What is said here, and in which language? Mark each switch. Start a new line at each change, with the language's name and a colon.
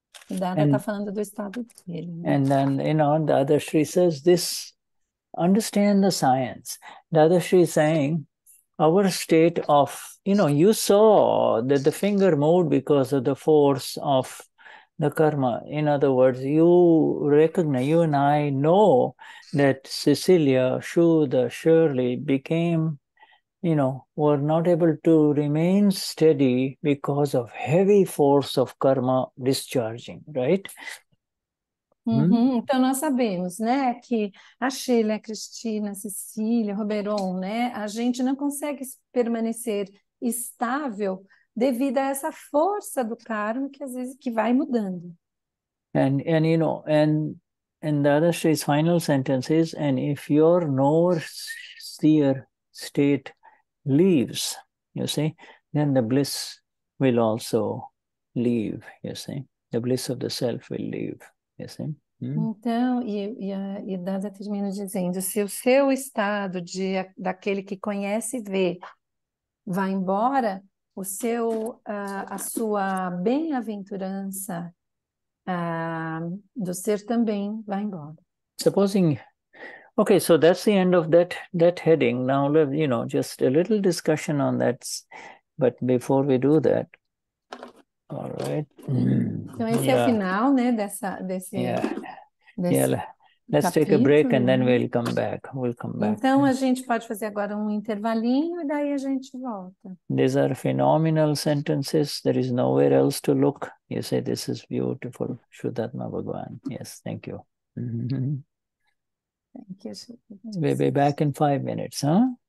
Portuguese: O Dada está falando do estado dele, né?
English: And then, you know, the Dadashri says this, understand the science. The Dadashri is saying, our state of, you know, you saw that the finger moved because of the force of the karma. In other words, you recognize, you and I know that Cecilia, Shuddha, Shirley became, you know, were not able to remain steady because of heavy force of karma discharging, right? Uhum.
Portuguese: Então, nós sabemos, né, que a Sheila, a Cristina, a Cecília, Roberon, né, a gente não consegue permanecer estável devido a essa força do karma que às vezes que vai mudando.
English: And you know, and the other three final sentences, and if your knower-seer state leaves, you see, then the bliss will also leave, you see, the bliss of the self will leave, you see.
Portuguese: Então, e Dada termina dizendo, se o seu estado daquele que conhece e vê vai embora, o seu, a sua bem-aventurança do ser também vai embora.
English: Supposing, okay, so that's the end of that heading. Now, you know, just a little discussion on that, but before we do that, all right.
Portuguese: Então, esse é o final, né, desse
English: Let's take a break and then we'll come back.
Portuguese: Então, a gente pode fazer agora um intervalinho e daí a gente volta.
English: These are phenomenal sentences. There is nowhere else to look. You say this is beautiful. Vishuddhatma Bhagwan. Yes, thank you. Thank you. We'll be back in 5 minutes, huh?